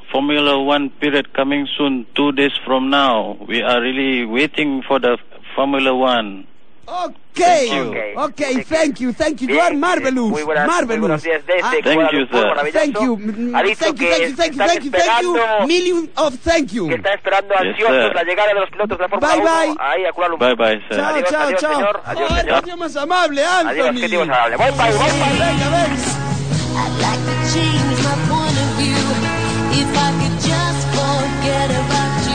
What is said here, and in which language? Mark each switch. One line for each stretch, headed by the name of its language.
English: Formula One period coming soon, 2 days from now. We are really waiting for the Formula One. Okay, okay, thank you, thank you. You are marvelous, marvelous. Thank you, sir. Thank you, thank you, thank you, thank you, thank you, thank you. Million of thank you.
Spanish: Que está esperando ansioso la llegada de los pilotos de la Fórmula 1.
English: Bye, bye. Bye, bye, sir.
Spanish: Adiós, adiós, señor. Adiós, señor. Adiós, más amable, Anthony. Adiós, qué tío más amable.
English: Bye, bye, bye,
Spanish: venga, venga.
English: I'd like to change my point of view if I could just forget about.